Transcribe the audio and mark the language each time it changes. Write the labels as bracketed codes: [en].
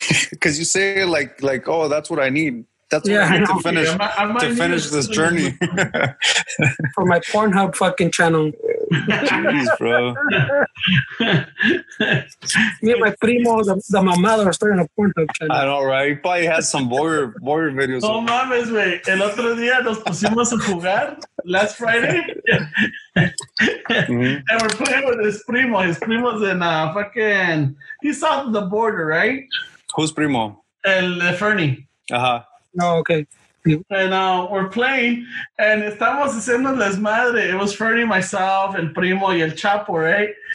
[en] Because you say like, oh, that's what I need. That's what I need to finish this journey. For my Pornhub fucking channel. Jeez, bro. Me and my primo, the mamada, are starting a Pornhub channel. I know, right? He probably has some warrior videos. [es] No mames, wey. El otro día nos pusimos a jugar [en] last Friday. And we're playing with his primo. His primo's in he's south of the border, right? Who's primo? [es] El Fernie. [en] Uh-huh. Oh, okay. And we're playing, and [es] estamos haciendo las madres. [en] It was Fernie, myself, and Primo, y el Chapo, right?